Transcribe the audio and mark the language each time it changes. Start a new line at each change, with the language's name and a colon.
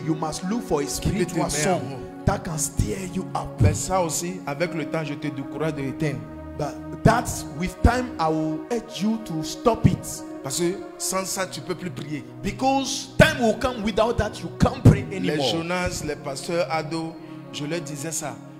English: You must look for a spiritual song that can steer you up.
French: Mais ça aussi, avec le temps, je te décourage de l'éteindre.
English: But that with time, I will urge you to stop it.
French: Parce que sans ça, tu peux plus prier.
English: Because time will come without that, you can't pray anymore.
French: Les Jonas, les pasteurs ados, je leur disais ça.